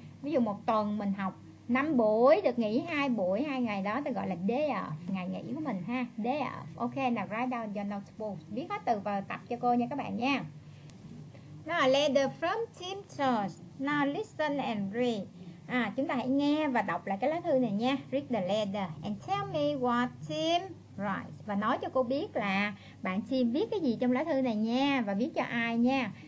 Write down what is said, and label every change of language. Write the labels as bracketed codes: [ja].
[vi] Ví dụ một tuần mình học 5 buổi, được nghỉ 2 buổi, 2 ngày đó ta gọi là day off, ngày nghỉ của mình ha, day off. [en] Ok, now write down your notebook, [vi] viết hết từ vào tập cho cô nha các bạn nha. [en] Now letter from Tim Church. Now listen and read. [vi] Chúng ta hãy nghe và đọc lại cái lá thư này nha. [en] Read the letter and tell me what Tim writes. [vi] Và nói cho cô biết là bạn Tim viết cái gì trong lá thư này nha, và viết cho ai nha.